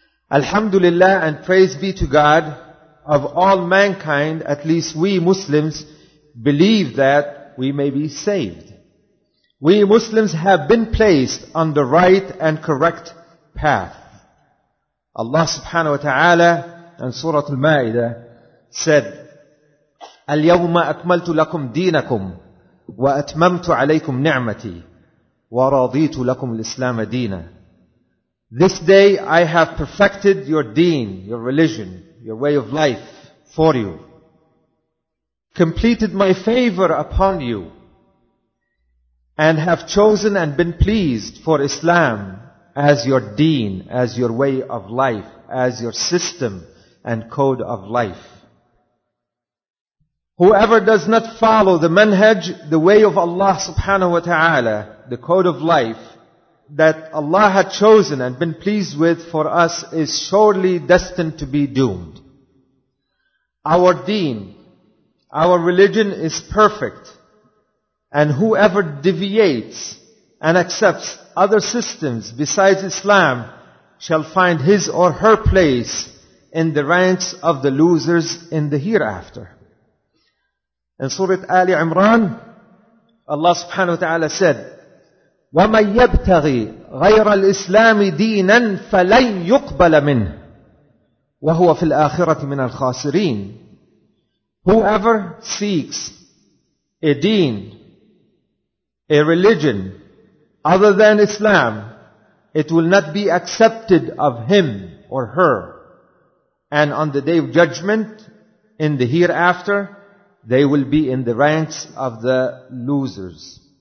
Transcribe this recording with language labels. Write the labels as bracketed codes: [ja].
[en] Alhamdulillah, and praise be to God, of all mankind, at least we Muslims believe that we may be saved. We Muslims have been placed on the right and correct path. Allah subhanahu wa ta'ala in Surah Al-Ma'idah said, [ar] اليوم أكملت لكم دينكم وأتممت عليكم نعمتي ورضيت لكم الإسلام دينا. [en] This day I have perfected your deen, your religion, your way of life for you. Completed my favor upon you and have chosen and been pleased for Islam as your deen, as your way of life, as your system and code of life. Whoever does not follow the manhaj, the way of Allah subhanahu wa ta'ala, the code of life that Allah had chosen and been pleased with for us, is surely destined to be doomed. Our deen, our religion is perfect, and whoever deviates and accepts other systems besides Islam shall find his or her place in the ranks of the losers in the hereafter. In Surah Ali Imran, Allah subhanahu wa ta'ala said, [ar] وَمَنْ يَبْتَغِي غَيْرَ الْإِسْلَامِ دِينًا فَلَنْ يُقْبَلَ مِنْهُ وَهُوَ فِي الْآخِرَةِ مِنَ الْخَاسِرِينَ. [en] Whoever seeks a deen, a religion other than Islam, it will not be accepted of him or her. And on the Day of Judgment, in the hereafter, they will be in the ranks of the losers.